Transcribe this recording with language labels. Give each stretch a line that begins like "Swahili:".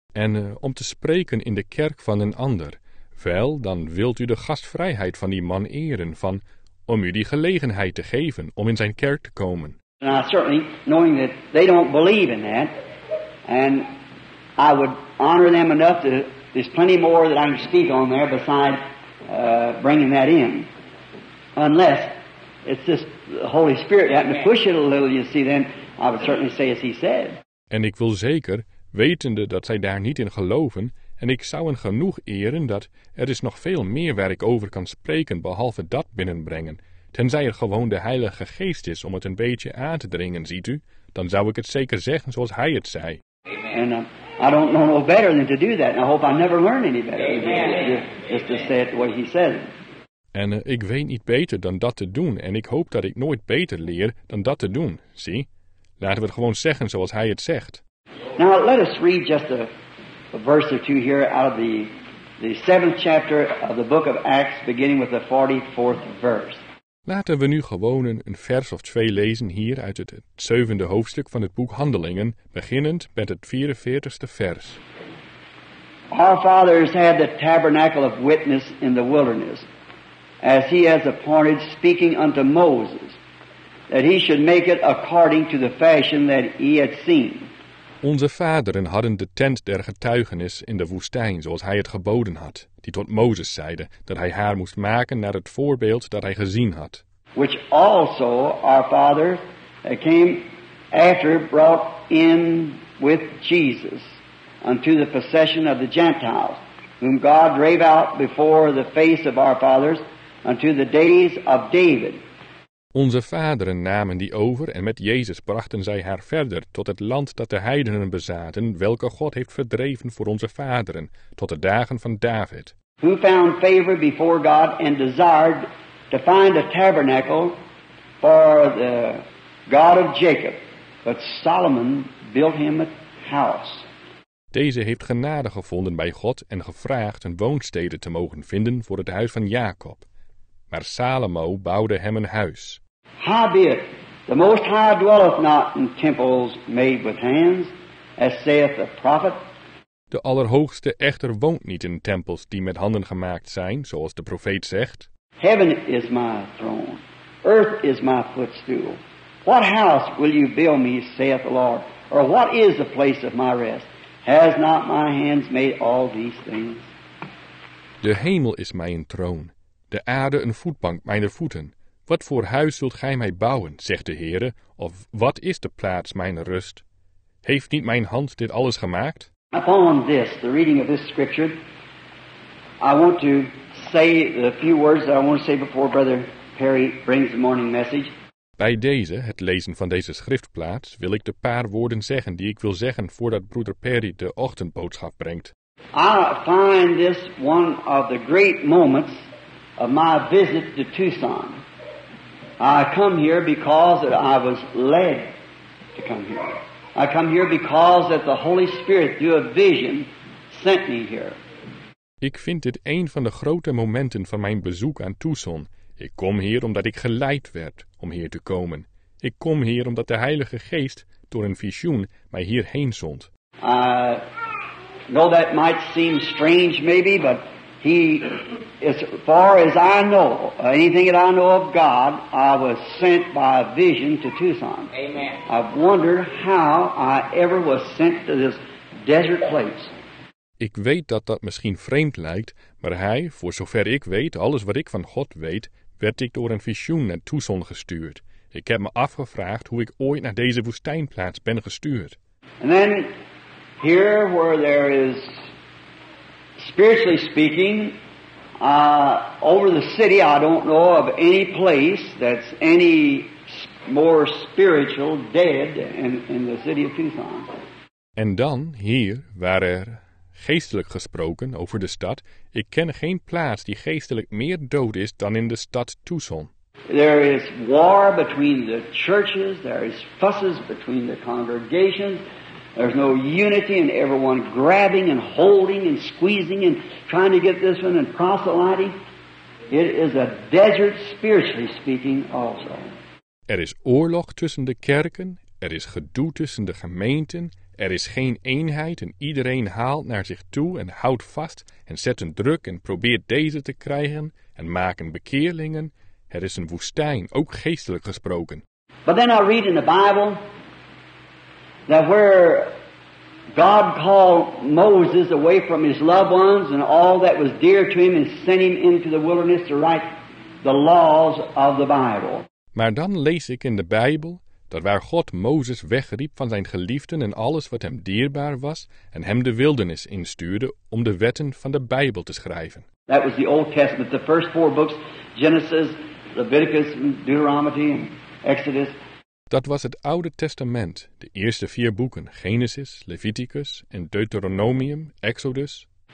Dutch: En om te spreken in de kerk van een ander, wel, dan wilt u de gastvrijheid van die man eren, van om u die gelegenheid te geven om in zijn kerk te komen.
English: Now, certainly, knowing that they don't believe in that, and I would honor them enough to. There's plenty more that I can speak on there besides bringing that in. Unless it's just the Holy Spirit happened to push it a little, you see, then I would certainly say as he said.
Dutch: En ik wil zeker, wetende dat zij daar niet in geloven, en ik zou hen genoeg eren dat er is nog veel meer waar ik over kan spreken behalve dat binnenbrengen. Tenzij er gewoon de Heilige Geest is om het een beetje aan te dringen, ziet u, dan zou ik het zeker zeggen zoals hij het zei.
English: Amen. I don't know no better than to do that, and I hope I never learn any better. Amen. Just to say it the way he said it.
Dutch: En ik weet niet beter dan dat te doen, en ik hoop dat ik nooit beter leer dan dat te doen. Zie, laten we het gewoon zeggen zoals hij het zegt.
English: Now let us read just a verse or two here out of the seventh chapter of the book of Acts, beginning with the 44th verse.
Dutch: Laten we nu gewoon een vers of twee lezen hier uit het zevende hoofdstuk van het boek Handelingen, beginnend met het 44ste vers.
English: Our fathers had the tabernacle of witness in the wilderness, as he has appointed, speaking unto Moses, that he should make it according to the fashion that he had seen.
Dutch: Onze vaderen hadden de tent der getuigenis in de woestijn, zoals hij het geboden had, die tot Mozes zeide dat hij haar moest maken naar het voorbeeld dat hij gezien had.
English: Which also our father came after brought in with Jesus unto the possession of the Gentiles, whom God drave out before the face of our fathers unto the days of David.
Dutch: Onze vaderen namen die over en met Jezus brachten zij haar verder tot het land dat de heidenen bezaten, welke God heeft verdreven voor onze vaderen, tot de dagen van David.
English: Who found favor before God and desired to find a tabernacle for the God of Jacob, but Solomon built him a house.
Dutch: Deze heeft genade gevonden bij God en gevraagd een woonstede te mogen vinden voor het huis van Jacob. Maar Salomo bouwde hem een huis.
English: Howbeit, the Most High dwelleth not in temples made with hands, as saith the prophet.
Dutch: De Allerhoogste echter woont niet in tempels die met handen gemaakt zijn, zoals de profeet zegt.
English: Heaven is my throne, earth is my footstool. What house will you build me, saith the Lord? Or what is the place of my rest? Has not my hands made all these things?
Dutch: De hemel is mijn troon. De aarde een voetbank, mijn voeten. Wat voor huis zult gij mij bouwen, zegt de Heere, of wat is de plaats mijn rust? Heeft niet mijn hand dit alles gemaakt?
English: Upon this, the reading of this scripture, I want to say the few words that I want to say before Brother Perry brings the morning message.
Dutch: Bij deze, het lezen van deze schriftplaats, wil ik de paar woorden zeggen die ik wil zeggen voordat Broeder Perry de ochtendboodschap brengt.
English: I find this one of the great moments of my visit to Tucson. I come here because I was led to come here. I come here because that the Holy Spirit, through a vision, sent me here.
Dutch: Ik vind dit een van de grote momenten van mijn bezoek aan Tucson. Ik kom hier omdat ik geleid werd om hier te komen. Ik kom hier omdat de Heilige Geest door een visioen mij hierheen zond.
English: No, that might seem strange maybe, but he, as far as I know, anything that I know of God, I was sent by a vision to Tucson. Amen. I've wondered how I ever was sent to this desert place.
Dutch: Ik weet dat dat misschien vreemd lijkt, maar hij, voor zover ik weet, alles wat ik van God weet, werd ik door een visioen naar Tucson gestuurd. Ik heb me afgevraagd hoe ik ooit naar deze woestijnplaats ben gestuurd.
English: And then, here where there is, spiritually speaking, over the city, I don't know of any place that's any more spiritual dead in the city of Tucson.
Dutch: En dan, hier, waar er... Geestelijk gesproken over de stad, ik ken geen plaats die geestelijk meer dood is dan in de stad Tucson.
English: There is war between the churches, there is fusses between the congregations. There's no unity and everyone grabbing and holding and squeezing and trying to get this one and proselyting. It is a desert spiritually speaking also.
Dutch: Er is oorlog tussen de kerken, er is gedoe tussen de gemeenten. Er is geen eenheid en iedereen haalt naar zich toe en houdt vast en zet een druk en probeert deze te krijgen en maken bekeerlingen. Er is een woestijn, ook geestelijk gesproken.
English: But then I read in the Bible that where God called Moses away from his loved ones and all that was dear to him and sent him into the wilderness to write the laws of the Bible.
Dutch: Maar dan lees ik in de Bijbel dat waar God Mozes wegriep van zijn geliefden en alles wat hem dierbaar was, en hem de wildernis instuurde om de wetten van de Bijbel te schrijven.
English: That was the Old Testament, the first four books, Genesis, Leviticus, Deuteronomy, and Exodus.
Dutch: Dat was het Oude Testament, de eerste vier boeken, Genesis, Leviticus en Deuteronomium, Exodus.